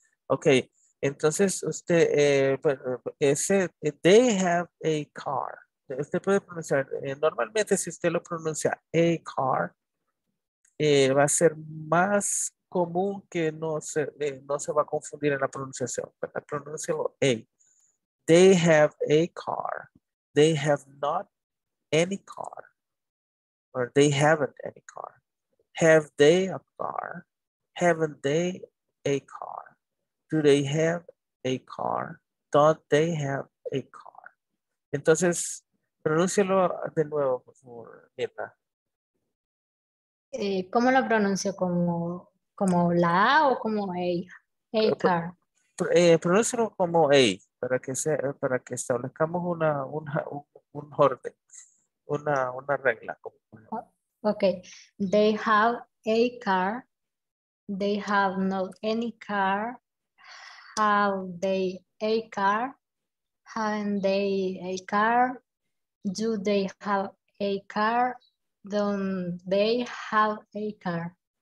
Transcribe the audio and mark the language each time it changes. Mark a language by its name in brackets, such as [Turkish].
[English] Okay, [Spanish] entonces usted, [English] they have a car. [Spanish] Usted puede pronunciar, normalmente si usted lo pronuncia a car, va a ser más común que no se va a confundir en la pronunciación. Pronúncialo a. [English] They have a car. They have not any car. Or they haven't any car. Have they a car? Haven't they a car? Do they have a car? Don't they have a car? [Spanish] Entonces, pronúncialo de nuevo, por favor, Mirna. ¿Cómo lo pronuncio? ¿Como la A o como A? A car. Pronúncialo como A, para que establezcamos un orden, una regla. [English] Okay, they have a car, they have not any car, have they a car, haven't they a car, do they have a car, don't they have a car.